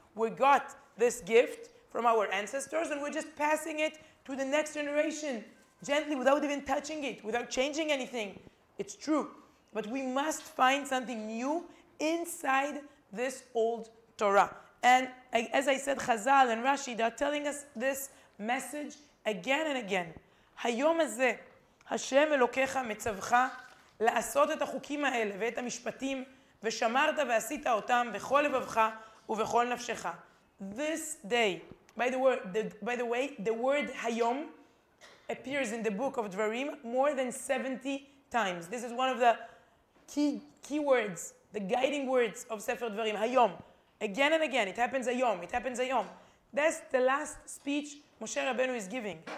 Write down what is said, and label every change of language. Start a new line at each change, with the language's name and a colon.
English: We got this gift from our ancestors and we're just passing it to the next generation. Gently, without even touching it, without changing anything. It's true. But we must find something new inside this old Torah. And as I said, Chazal and Rashi, they're telling us this message again and again.
Hebrew: היום הזה, השם אלוקיך מצווך לעשות את החוקים האלה ואת המשפטים, ושמרת ועשית אותם בכל לבבך ובכל נפשך.
English: This day, by the way, the word היום, appears in the book of Dvarim more than 70 times. This is one of the key words, the guiding words of Sefer Dvarim, Hayom. Again and again, it happens Hayom, it happens Hayom. That's the last speech Moshe Rabbeinu is giving.